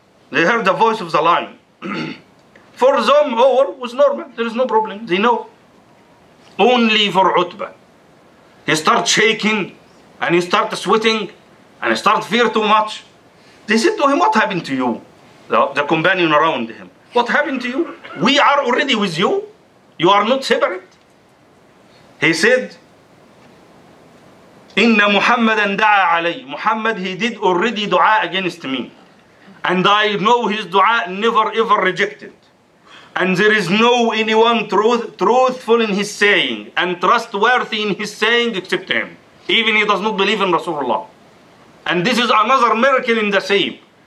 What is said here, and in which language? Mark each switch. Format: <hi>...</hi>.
<en>They heard the voice of the lion. For them all was normal. There is no problem. They know. Only for Utba, he start shaking and he start sweating and he start fear too much. They said to him, what happened to you? The companion around him. What happened to you? We are already with you. You are not separate.</en> <ar>He said, إن محمد دعا علي.</ar> <en>Muhammad, he did already dua against me. And I know his dua never ever rejected. And there is no anyone truthful in his saying and trustworthy in his saying except him. Even he does not believe in Rasulullah. And this is another miracle in the same.</en>